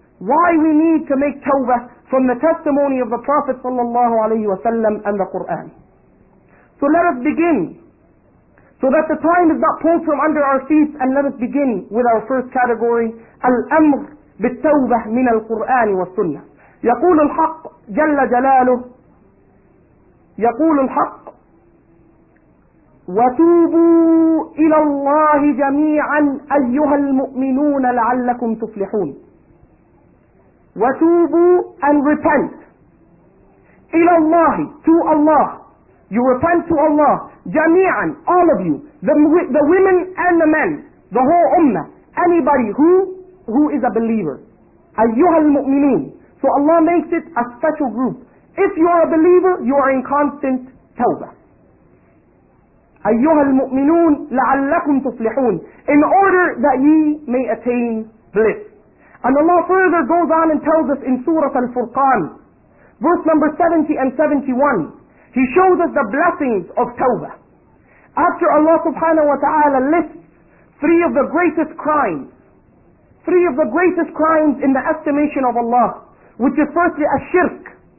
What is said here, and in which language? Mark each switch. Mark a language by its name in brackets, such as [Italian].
[English] Why we need to make توبة from the testimony of the Prophet صلى الله عليه وسلم and the Quran. So let us begin, so that the time is not pulled from under our feet, and let us begin with our first category, [Arabic] الأمر بالتوبة من القرآن والسنة. يقول الحق جل جلاله, يقول الحق وتوبوا إلى الله جميعا أيها المؤمنون لعلكم تفلحون. وتوبوا [English] and repent [Arabic] إلى الله, [English] to Allah. You repent to Allah جميعا, all of you, the women and the men, the whole ummah, anybody who is a believer. [Arabic] أيها المؤمنون. [English] So Allah makes it a special group. If you are a believer, you are in constant tawbah. [Arabic] أيها المؤمنون لعلكم تفلحون. [English] In order that ye may attain bliss. And Allah further goes on and tells us in Surah Al-Furqan, verse number 70 and 71, He shows us the blessings of tawbah. After Allah subhanahu wa ta'ala lists three of the greatest crimes, three of the greatest crimes in the estimation of Allah, which is firstly, ash-shirk,